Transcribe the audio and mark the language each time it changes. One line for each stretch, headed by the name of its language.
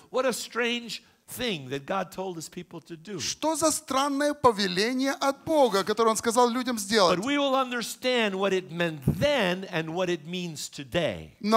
English: What a strange thing that God told his people to do.
Russian: Что за странное повеление от Бога, которое он сказал людям сделать?
English: But we will understand what it meant then and what it means today.